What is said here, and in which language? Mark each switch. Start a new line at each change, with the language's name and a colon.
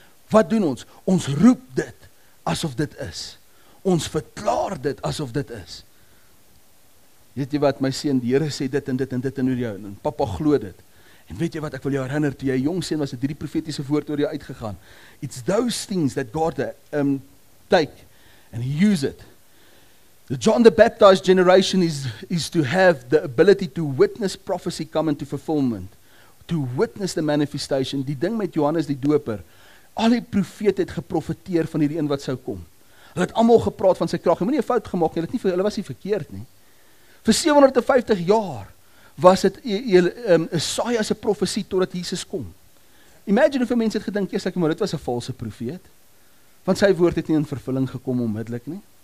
Afrikaans: Wat doen ons? Ons roep dit asof dit is. Ons verklaar dit asof dit is. Weet jy wat, my seun, die Here sê dit en dit en dit en oor jou, en papa glo dit. En weet jy wat, ek wil jou herinner, toe jy jong seun was, het hierdie profetiese woord oor jou uitgegaan.
English: It's those things that God take and use it. The John the Baptist generation is to have the ability to witness prophecy come into fulfillment. To witness the manifestation.
Afrikaans: Die ding met Johannes die Doper, al die profete het geprofeteer van hierdie een wat sou kom. Hulle het allemaal gepraat van sy krag. Hulle het nie 'n fout gemaak nie, hulle was nie verkeerd nie. Vir 750 jaar was het Isaia se profesie totdat Jesus kom. Imagine hoeveel mense het gedink, eers ek, maar dit was 'n valse profeet, want sy woord het nie in vervulling gekom onmiddellik nie.